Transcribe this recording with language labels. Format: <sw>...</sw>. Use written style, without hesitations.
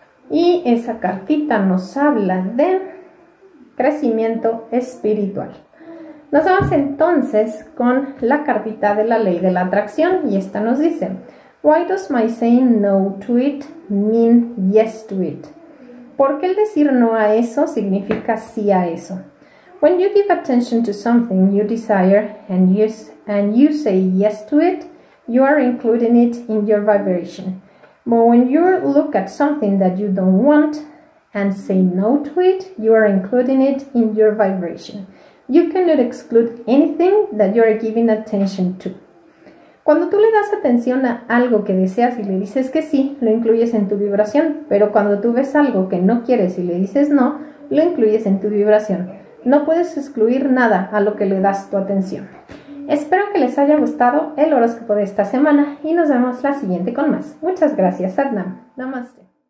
<es>Y esa cartita nos habla de crecimiento espiritual. Nos vamos entonces con la cartita de la ley de la atracción y esta nos dice:</es> <en>Why does my saying no to it mean yes to it?</en> <es>¿Por qué el decir no a eso significa sí a eso?</es> <en>When you give attention to something you desire and you say yes to it, you are including it in your vibration. But when you look at something that you don't want and say no to it, you are including it in your vibration. You cannot exclude anything that you are giving attention to.</en> <es>Cuando tú le das atención a algo que deseas y le dices que sí, lo incluyes en tu vibración. Pero cuando tú ves algo que no quieres y le dices no, lo incluyes en tu vibración. No puedes excluir nada a lo que le das tu atención. Espero que les haya gustado el horóscopo de esta semana y nos vemos la siguiente con más. Muchas gracias, Adnan. Namaste.</es>